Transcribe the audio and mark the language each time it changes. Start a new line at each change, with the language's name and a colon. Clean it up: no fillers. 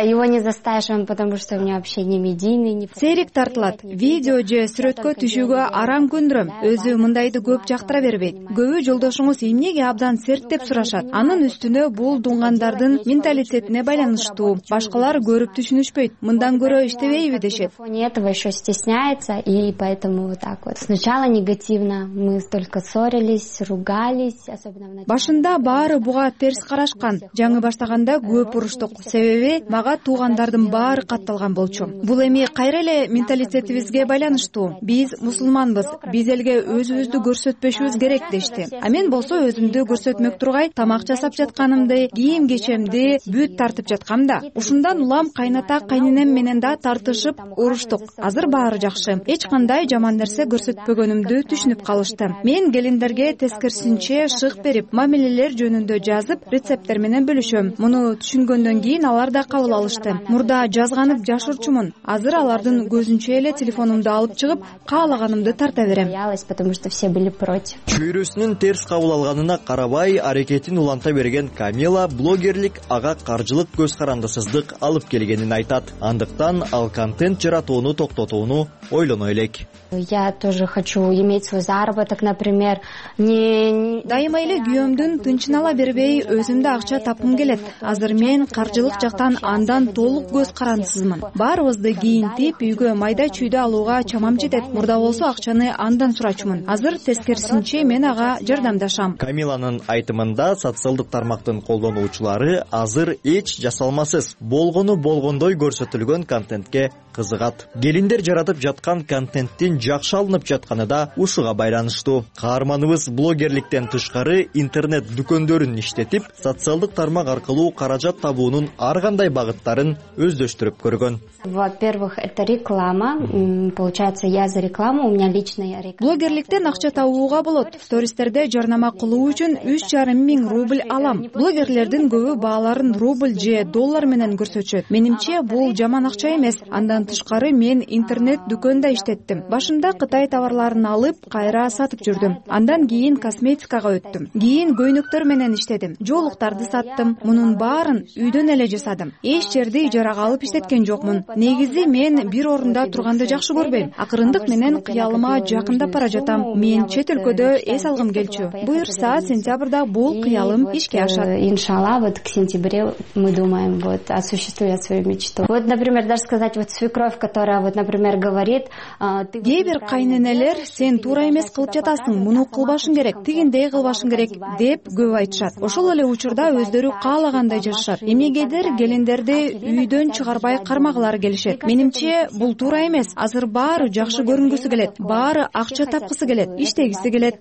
Russian: Его не заставишь, он потому что у меня вообще не медийный, не.
Kyrgyz: Серик тартылат. Видео же сүрөткө түшүүгө арам күндүрөм. Өзү мындайды көп жактыра бербейт. Көбү жолдошуңуз эмнеге абдан серт деп сурашат. Анын үстүнө бул дунгандардын менталитетине байланыштуу. Башкалар көрүп түшүнүшпөйт. Мындан көрө иштебейби дешет.
Russian: Нет, он ещё стесняется и поэтому вот так вот. Сначала негативно. Мы столько ссорились, ругались, особенно в начале.
Kyrgyz: Башында баары буга терс карашкан. Жаңы баштаганда көп уруштук. Себеби мага туугандардын баары катталган болчу. Бул эми кайра эле менталитетибизге байланыштуу. Биз мусулманбыз, биз элге өзүбүздү көрсөтпөшүбүз керек дешти. А мен болсо өзүмдү көрсөтмөк тургай тамак жасап жатканымды, кийим кечемди бүт тартып жаткам да. Ушундан улам кайната кайненем менен да тартышып уруштук. Азыр баары жакшы. Эч кандай жаман нерсе көрсөтпөгөнүмдү түшүнүп калышты. Мен келиндерге тескерисинче шык берип, мамилелер жөнүндө жазып, рецепттер менен бөлүшөм. Муну түшүнгөндөн кийин алар да кабыл алышты. Мурда жазганып жашырчумун. Азыр алардын көзүнчө эле телефонумду алып чыгып, каалаганымды тарта берем.
Russian: Потому что все были против.
Kyrgyz: Чөйрөсүнүн терс кабыл алганына карабай, аракетин уланта берген Камила блогерлик ага каржылык көз карандысыздык алып келгенин айтат. Андыктан ал контент жаратууну токтотууну ойлоно элек.
Russian: Я тоже хочу иметь свой заработок, например.
Kyrgyz: Дайыма эле күйөөмдүн тынчын ала бербей, өзүмдө акча тапкым келет. азыр мен каржылык жактан андан толук көз карансызмын. Баарыбызды кийинтип, үйгө майда чүйдө алууга чамам жетет. Мурда болсо акчаны андан сурачумун. Азыр тескерисинче мен ага жардамдашам. Камиланын айтымында социалдык тармактын колдонуучулары азыр эч жасалмасыз, болгону болгондой көрсөтүлгөн контентке кызыгат. Келиндер жаратып жаткан контенттин жакшы алынып жатканы да ушуга байланыштуу. Каарманыбыз блогерликтен тышкары интернет дүкөндөрүн иштетип, социалдык тармак аркылуу каражат табуунун ар кандай багыттарын өздөштүрүп көргөн.
Russian: Во-первых, это реклама. Получается, я за рекламу, у меня личная реклама.
Kyrgyz: Блогерликтен акча табууга болот. Стористерде жарнама кылуу үчүн 3,5 000 рубль алам. Блогерлердин көбү бааларын рубль же доллар менен көрсөтүшөт. Менимче, бул жаман акча эмес. Андан тышкары мен интернет дүкөндө иштеттим. Башында Кытай товарларын алып, кайра сатып жүрдүм. Андан кийин косметикага өттүм. Кийин көйнөктөр менен иштедим. Жоолуктарды саттым. Мунун баарын үйдөн эле жасадым. Эч жерде ижарага алып иштеткен жокмун. Негизи мен бир орунда турганды жакшы көрбөйм. Акырындык менен кыялыма жакындап бара жатам. Мен чет өлкөдө эс алгым келчү. Буйурса, сентябрда бул кыялым ишке ашат.
Russian: Иншалла, вот к сентябрю мы думаем вот осуществлять свою мечту. Вот, например, даже сказать вот свекровь, которая вот, например, говорит,
Kyrgyz: кээ бир кайненелер сен туура эмес кылып жатасың, муну кылбашың керек, тигиндей кылбашың керек деп көп айтышат. Ошол эле учурда өздөрү каалагандай жашашат. Эмнегедир келиндерди үйдөн чыгарбай кармагылары келишет. Менимче бул туура эмес. Азыр баары жакшы көрүнгүсү келет, баары акча тапкысы келет, иштегиси келет.